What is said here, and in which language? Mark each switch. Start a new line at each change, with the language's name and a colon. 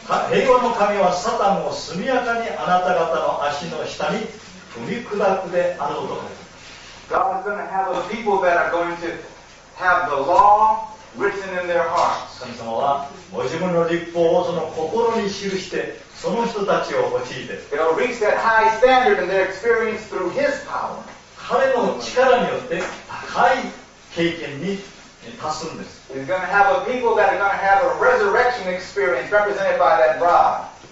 Japanese: 平和の神はサタンを速やかにあなた方の足の下に踏み砕くであろうと。
English: God is going to have a people that are going to have the law. Written in their hearts.
Japanese: 神様はご自分の律法をその心に記して、その人たちを用いて、
English: They'll reach that high standard and their experience through His power.
Japanese: 彼の力によって高い経験に達すんです。
English: He's going to have a people that are going to have a resurrection experience represented by that rod.